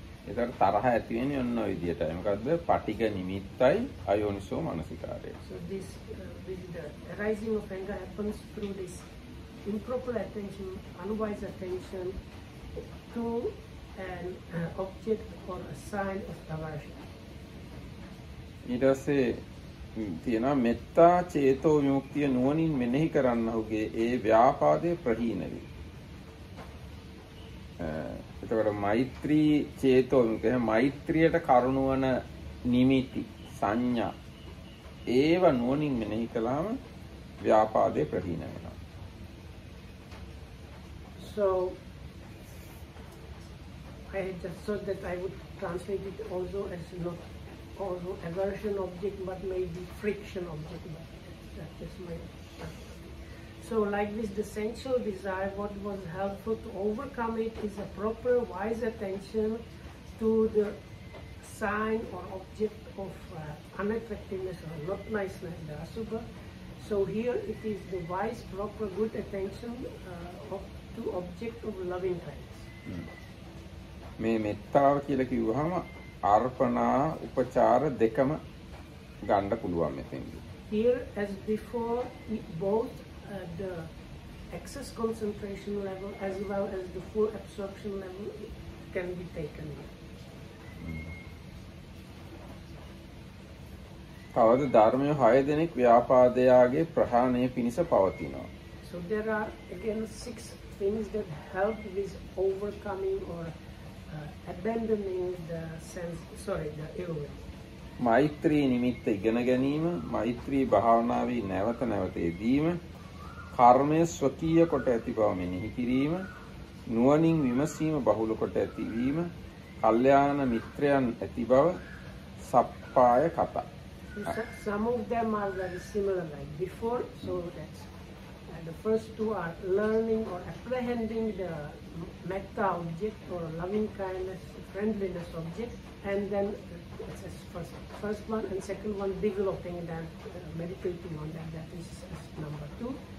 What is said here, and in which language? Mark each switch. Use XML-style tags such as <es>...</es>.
<si>ඒතර තරහ ඇති වෙන්නේ ඔන්න ඔය විදියටයි. මොකද්ද? පටිඝ නිමිත්තයි අයෝනිසෝ මනසිකාරය.</si> <en>So this the arising of anger happens through this improper attention, unwise attention to an object or a sign of aversion.</en> <si>ඊට පස්සේ තියෙනවා මෙත්තා චේතෝ විමුක්තිය නුවණින් මෙනෙහි කරන්නහුගේ ඒ ව්‍යාපාදයේ ප්‍රහීන වේ. එතකොට මෛත්‍රී චේතෝ විමුක්තිය මෛත්‍රියට කරුණවන නිමිති සංඥා ඒව නුවණින් මෙනෙහි කළාම ව්‍යාපාදේ ප්‍රහීන වෙනවා.</si> <en>So I just thought that I would translate it also as not also aversion object but maybe friction object. That's my So like this the sensual desire what was helpful to overcome it is a proper wise attention to the sign or object of unattractiveness or not niceness, the asubha. So here it is the wise, proper, good attention to object of loving kindness.</en> <si>මේ මෙත්තාව කියලා කිව්වහම අර්පණා උපචාර දෙකම ගන්න පුළුවන් මෙතෙන්දී.</si> <en>Here as before both the excess concentration level as well as the full absorption level can be taken.</en> <si>තවද ධර්මයේ 6 දෙනෙක් ව්‍යාපාදයාගේ ප්‍රහාණය පිණිස පවතිනවා.</si> <en>So there are again six things that help with overcoming or abandoning the sense, sorry, the ill will.</en> <si>මෛත්‍රී නිමිත්ත ඉගෙන ගැනීම, මෛත්‍රී භාවනාවේ නැවත නැවත යෙදීම, කර්මය ස්වකීය කොට ඇති බව මෙනෙහි කිරීම, නුවණින් විමසීම බහුල කොට ඇතිවීම, කල්යාණ මිත්‍රයන් ඇති බව සප්පාය කතා.</si> <en>Some of them are very similar like before, so that's the first two are learning or apprehending the metta object or loving kindness, friendliness object, and then it's first one and second one developing that, meditating on that, that is number two.</en>